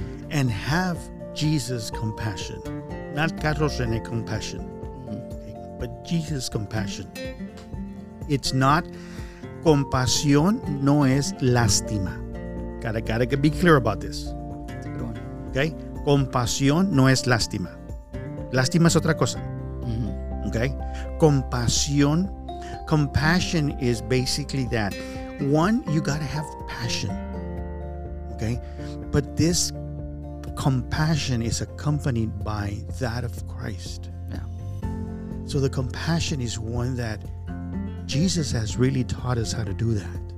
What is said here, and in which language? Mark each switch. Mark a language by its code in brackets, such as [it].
[en] And have Jesus' compassion, not Carlos René compassion, but Jesus' compassion. It's not, [es] compasión no es lástima. [en] Gotta be clear about this. That's a good one. Okay? [es] Compasión no es lástima. Lástima es otra cosa. Mm-hmm. [en] Okay? [es] Compasión. [en] Compassion is basically that. One, you gotta have passion. Okay? But this compassion is accompanied by that of Christ. Yeah. So the compassion is one that Jesus has really taught us how to do that.